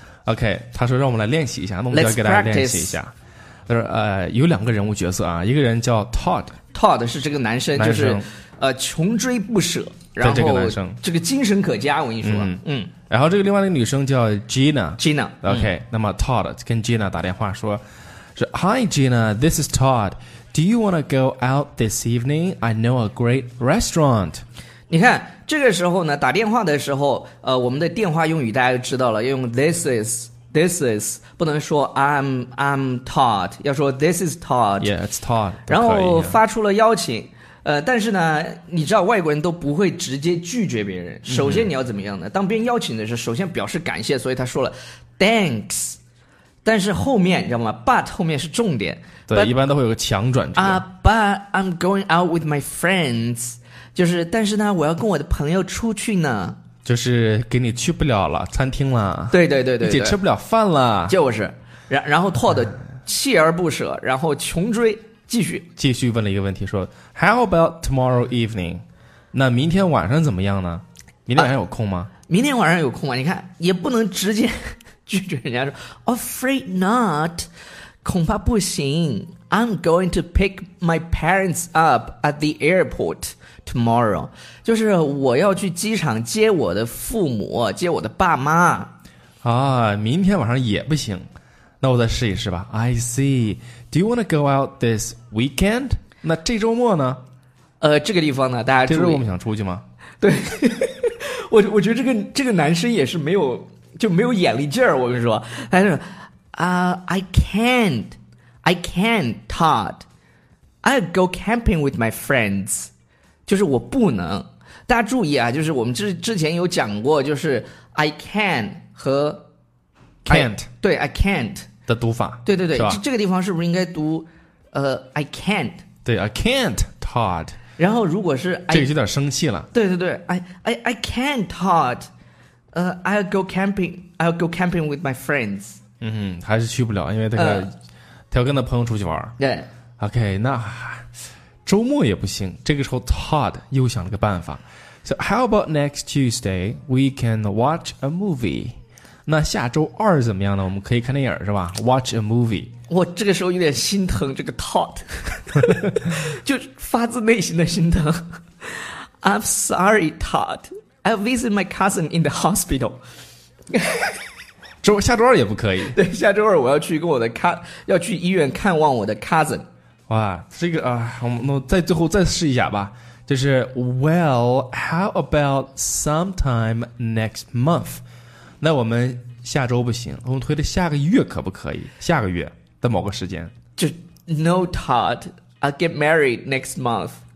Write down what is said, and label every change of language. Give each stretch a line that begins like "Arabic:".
Chinese: OK, 他说让我们来练习一下，那我们就给大家练习一下。他说有两个人物角色啊，一个人叫 Todd 是这个男 生就是穷追不舍，然后这个男生这个精神可嘉，我跟你说。然后这个另外那个女生叫 Gina OK, 嗯，那么
English: Todd
Chinese: 跟
English: Gina
Chinese: 打电话说
English: Hi Gina, this is Todd. Do you want to go out this evening? I know a great restaurant.
Chinese: 你看这个时候呢，打电话的时候我们的电话用语大家就知道了，要用
English: this is
Chinese: 不能说
English: I'm Todd,
Chinese: 要说
English: this is Todd. Yeah, it's Todd.
Chinese: 然后发出了邀请，但是呢你知道外国人都不会直接拒绝别人，首先你要怎么样呢，当别人邀请的时候首先表示感谢，所以他说了
English: thanks,
Chinese: 但是后面你知道吗，
English: but
Chinese: 后面是重点，对，
English: but,
Chinese: 一般都会有个强转折，
English: but I'm going out with my friends,
Chinese: 就是但是呢我要跟我的朋友出去呢，就是给你去不了了餐厅了，对对对， 对你吃不了饭了，就是然后 Todd 锲而不舍，然后穷追继续问了一个问题，说
English: How about tomorrow evening?
Chinese: 那明天晚上怎么样呢？明天晚上有空吗？明天晚上有空吗？你看也不能直接拒绝人家，说
English: Afraid not,
Chinese: 恐怕不行。
English: I'm going to pick my parents up at the airport tomorrow,
Chinese: 就是我要去机场接我的父母，接我的爸妈。啊，明天晚上也不行，那我再试一试吧。
English: I see, Do you want to go out this weekend?
Chinese: 那这周末呢？这个地方呢大家注意，这周我们想出去吗？对。我觉得这个男生也是没有眼力劲儿，我跟你说。他说
English: I can't, Todd. I'll go camping with my friends.
Chinese: 就是我不能。大家注意啊，就是我们之前有讲过，就是
English: I can
Chinese: 和
English: can't。
Chinese: 对，
English: I can't。
Chinese: 的读法，对对对，这个地方是不是应该读
English: I can't,
Chinese: 对，
English: I can't Todd,
Chinese: 然后如果是这个有点生气了，对对对，
English: I can't Todd, I'll go camping with my friends,
Chinese: 还是去不了，因为他要跟他朋友出去玩，对， OK, 那周末也不行，这个时候 Todd 又想了个办法，
English: So how about next Tuesday we can watch a movie,
Chinese: 那下周二怎么样呢？我们可以看电影是吧 ？
English: Watch a movie。
Chinese: 我这个时候有点心疼这个 Todd, 就发自内心的心疼。
English: I'm sorry, Todd. I'll visit my cousin in the hospital.
Chinese: 下周二也不可以。对，下周二我要去跟我的要去医院看望我的 cousin。哇，这个啊，那再最后再试一下吧。就是
English: Well, how about sometime next month?
Chinese: 那我们下周不行，我们推的下个月可不可以？下个月的某个时间。就
English: No, Todd, I'll get married next month.